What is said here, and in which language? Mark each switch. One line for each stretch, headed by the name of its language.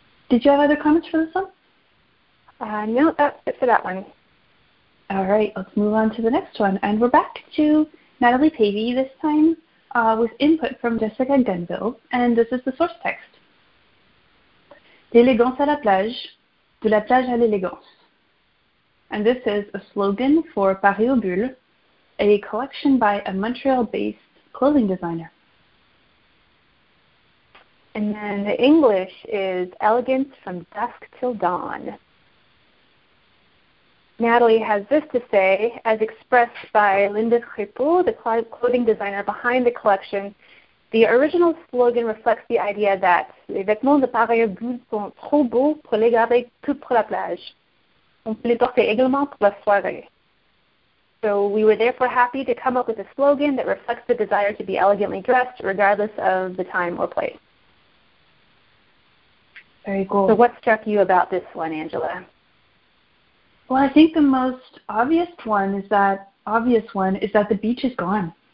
English: Did you have other comments for this one? No, that's it for that one. All right, let's move on to the next one. And we're back to Natalie Pavey this time with input from Jessica Gunville, and this is the source text.
French: D'élégance à la plage, de la plage à l'élégance.
English: And this is a slogan for Paris aux Bulles, a collection by a Montreal-based clothing designer. And then the English is elegance from dusk till dawn. Natalie has this to say, as expressed by Linda Crépeau, the clothing designer behind the collection, the original slogan reflects the idea that
French: les vêtements de Paris aux Bulles sont trop beaux pour les garder que pour la plage. On peut les porter également pour la soirée.
English: So we were therefore happy to come up with a slogan that reflects the desire to be elegantly dressed regardless of the time or place. Very cool. So what struck you about this one, Angela? Well, I think the most obvious one is that the beach is gone.